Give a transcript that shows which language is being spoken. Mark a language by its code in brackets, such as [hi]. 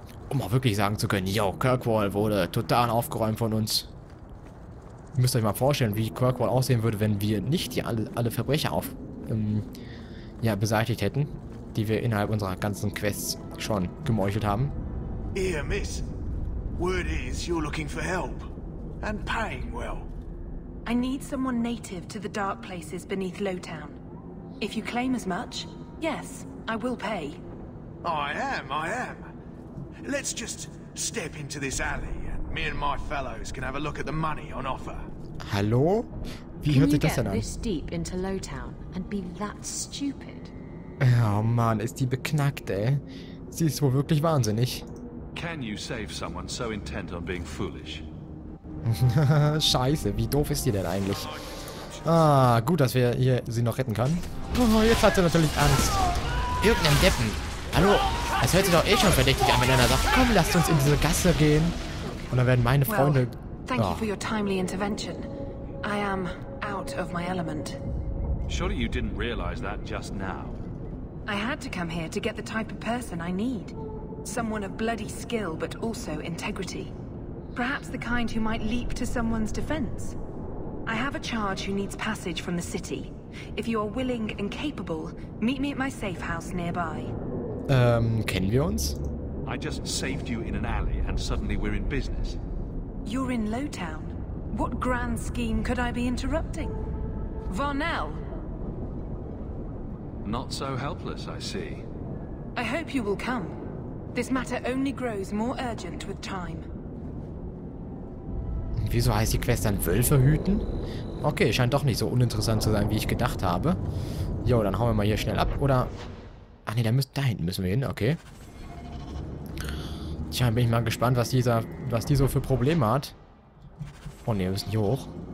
[de] Um auch wirklich sagen zu können, yo, Kirkwall wurde total aufgeräumt von uns. Ihr müsst euch mal vorstellen, wie Kirkwall aussehen würde, wenn wir nicht hier alle Verbrecher auf... ja, beseitigt hätten, die wir innerhalb unserer ganzen Quests schon gemeuchelt haben. [en] Here, miss. Word is, you're looking for help. And paying well. I need someone native to the dark places beneath Lowtown. If you claim as much, yes, I will pay. I am. Let's just step into this alley and me and my fellows can have a look at the money on offer. [de] Hallo? Wie can hört sich das denn an? [en] This deep into Lowtown and be that stupid? [de] Oh Mann, ist die beknackt, ey. Sie ist wohl wirklich wahnsinnig. [en] Can you save someone so intent on being foolish? [de] Scheiße, wie doof ist die denn eigentlich? Ah, gut, dass wir hier sie noch retten können. Oh, jetzt hat sie natürlich Angst. Irgendein Deppen. Hallo, es hört sich doch eh schon verdächtig an, wenn einer sagt, komm, lasst uns in diese Gasse gehen. Und dann werden meine Freunde... [en] Thank you for your timely intervention. I am out of my element. Surely you didn't realize that just now. I had to come here to get the type of person I need. Someone of bloody skill, but also integrity. Perhaps the kind who might leap to someone's defense. I have a charge who needs passage from the city. If you are willing and capable, meet me at my safe house nearby. [de] Kennen wir uns? [en] I just saved you in an alley and suddenly we're in business. You're in Lowtown. What grand scheme could I be interrupting? Varnell? Not so helpless, I see. I hope you will come. This matter only grows more urgent with time. [de] Wieso heißt die Quest dann Wölfe hüten? Okay, scheint doch nicht so uninteressant zu sein, wie ich gedacht habe. Jo, dann hauen wir mal hier schnell ab, oder? Ach nee, da hinten müssen wir hin, okay. Tja, bin ich mal gespannt, was die so für Probleme hat. Oh ne, wir müssen hier hoch.